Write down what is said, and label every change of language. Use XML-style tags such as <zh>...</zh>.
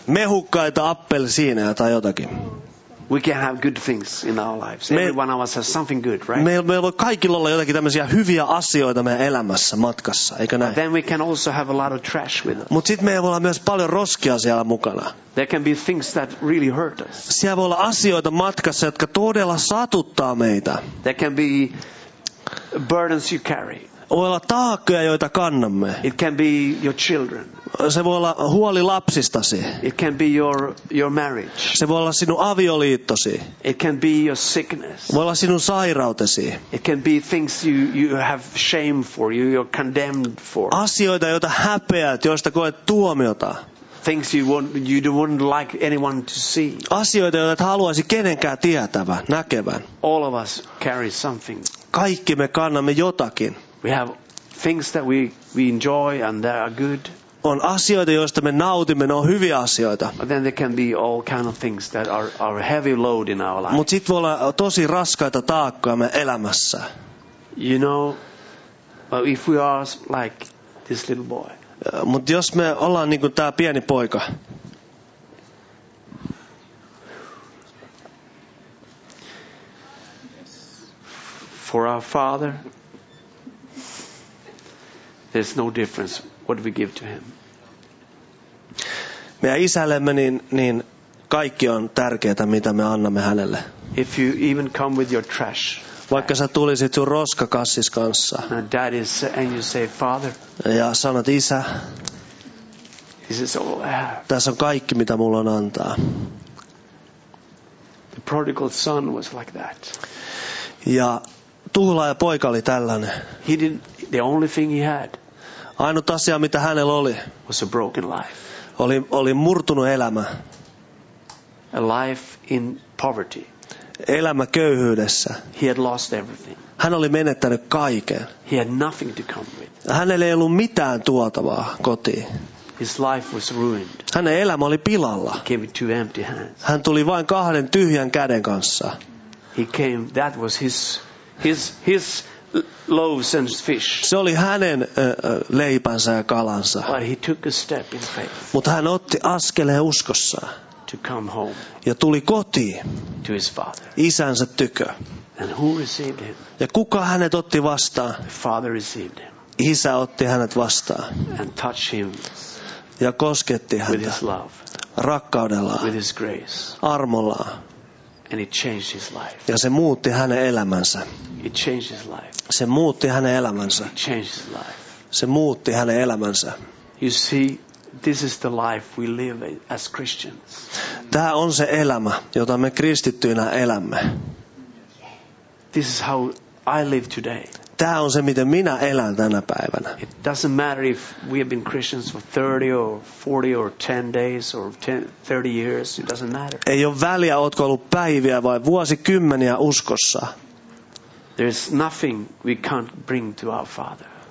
<fi>Mehukkaita appelsiineja tai jotakin.</fi> <en>We can have good things in our lives. Everyone of us has something good, right?</en> <fi>Meillä voi kaikilla olla jotakin tämmöisiä hyviä asioita meidän elämässä matkassa, eikö näin?</fi> <en>But then we can also have a lot of trash with us.</en> <fi>Mut sit meillä voi olla myös paljon roskia siellä mukana.</fi> <en>There can be things that really hurt us.</en> <fi>Siellä voi olla asioita matkassa, jotka todella satuttaa meitä.</fi> <en>There can be burdens you carry.</en> <fi>Voi olla taakkoja, joita kannamme.</fi> <en>It can be your children.</en> <fi>Se voi olla huoli lapsistasi.</fi> <en>It can be your marriage.</en> <fi>Se voi olla sinun avioliittosi.</fi> <en>It can be your sickness.</en> <fi>Voi olla sinun sairautesi.</fi> <en>It can be things you have shame for, you're condemned for.</en> <fi>Asioita, joita häpeät, joista koet tuomiota.</fi> <en>Things you wouldn't like anyone to see.</en> <fi>Asioita, joita et haluaisi kenenkään tietävän, näkevän.</fi> <en>All of us carry something.</en> <fi>Kaikki me kannamme jotakin.</fi> <en>We have things that we enjoy and that are good.</en> <fi>On asioita, joista me nautimme, ne on hyviä asioita.</fi> <en>But then there can be all kind of things that are heavy load in our life.</en> <fi>Mut sit voi olla tosi raskaita taakkoja me elämässä.</fi> <en>You know, but if we are like this little boy.</en> <fi>Mut jos me ollaan niinku tää pieni poika.</fi> <en>For our father, there's no difference what we give to him.</en> <fi>Meidän isällemme niin kaikki on tärkeää mitä me annamme hänelle.</fi> <en>If you even come with your trash.</en> <fi>vaikka sä tulisit sun roskakassis kanssa.</fi> <en>And that is, and you say, Father.</en> <fi>Ja sanot, Isä.</fi> <en>This is all I have.</en> <fi>Tässä on kaikki, mitä mulla on antaa.</fi> <en>The prodigal son was like that.</en> <fi>Ja tuhlaaja poika oli tällainen.</fi> <en>He didn't, the only thing he had.</en> <fi>Ainut asia, mitä hänellä oli.</fi> <en>Was a broken life.</en> <fi>Oli murtunut elämä.</fi> <en>A life in poverty.</en> <fi>Elämä köyhyydessä.</fi> <en>He had lost everything.</en> <fi>Hän oli menettänyt kaiken.</fi> <en>He had nothing to come with.</en> <fi>Hänellä ei ollut mitään tuotavaa kotiin.</fi> <en>His life was ruined.</en> <fi>Hänen elämä oli pilalla.</fi> <en>He came with two empty hands.</en> <fi>Hän tuli vain kahden tyhjän käden kanssa.</fi> <en>He came, that was his loaves and fish.</en> <fi>Se oli hänen leipänsä ja kalansa.</fi> <en>But he took a step in faith.</en> <fi>Mutta hän otti askeleen uskossa.</fi> <en>To come home.</en> <fi>Ja tuli kotiin.</fi> <en>To his father.</en> <fi>Isänsä tykö.</fi> <en>And who received him?</en> <fi>Ja kuka hänet otti vastaan?</fi> <en>The father received him.</en> <fi>Isä otti hänet vastaan.</fi> <en>And touched him.</en> <fi>Ja kosketti häntä.</fi> <en>With his love.</en> <fi>Rakkaudellaan.</fi> <en>With his grace.</en> <fi>Armollaan.</fi> <en>And it changed his life.</en> <fi>Ja se muutti hänen elämänsä.</fi> <en>It changed his life.</en> <fi>Se muutti hänen elämänsä.</fi> <en>It changed his life.</en> <fi>Se muutti hänen elämänsä.</fi> <en>You see, this is the life we live as Christians.</en> <fi>Tämä on se elämä, jota me kristittyinä elämme.</fi> <en>This is how I live today.</en> <fi>Tämä on se, miten minä elän tänä päivänä.</fi> <en>It doesn't matter if we have been Christians for 30 or 40 or 10 days or 30 years. It doesn't matter.</en> <fi>Ei ole väliä, ootko ollut päiviä vai vuosikymmeniä uskossa.</fi> <en>There is nothing we can't bring to our Father.</en>